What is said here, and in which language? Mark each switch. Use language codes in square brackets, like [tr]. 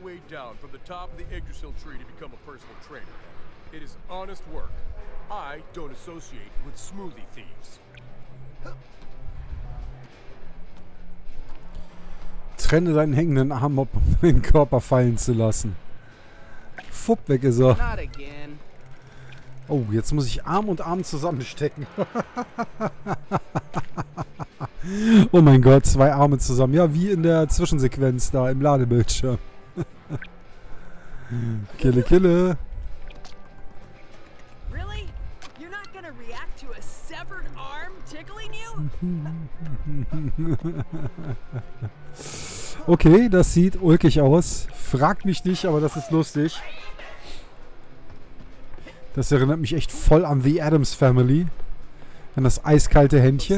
[en] Down from the top of the Yggdrasil tree to become a personal trainer. It is honest work. I don't associate with smoothie thieves. [de] Trenne deinen hängenden Arm, um den Körper fallen zu lassen. Fupp, weg ist er. [en] Not again. [de] Oh, jetzt muss ich Arm und Arm zusammenstecken. Oh mein Gott, zwei Arme zusammen. Ja, wie in der Zwischensequenz da im Ladebildschirm. Kille, kille. [en] Really? You're not gonna react to a severed arm tickling you? [de] Okay, das sieht ulkig aus. Frag mich nicht, aber das ist lustig. Das erinnert mich echt voll an The Addams Family. An das eiskalte Händchen.